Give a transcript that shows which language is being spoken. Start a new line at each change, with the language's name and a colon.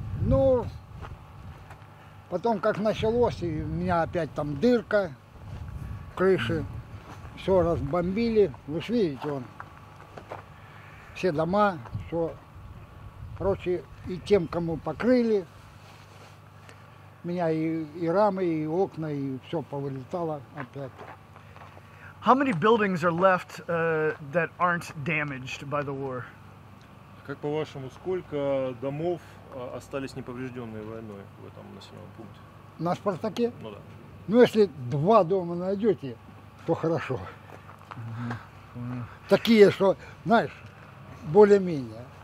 Russian: Ну, потом как началось, и у меня опять там дырка в крыше. Все разбомбили. Вы ж видите, вон, все дома. Что, короче, и тем, кому покрыли, у меня и рамы, и окна, и все повылетало опять.
English: How many buildings are left that aren't damaged by the war?
Russian: Как по-вашему, сколько домов остались неповрежденные войной в этом населенном пункте? На Спартаке? Ну да. Ну, если 2 дома найдете, то хорошо. Mm-hmm. Такие, что, знаешь, более-менее.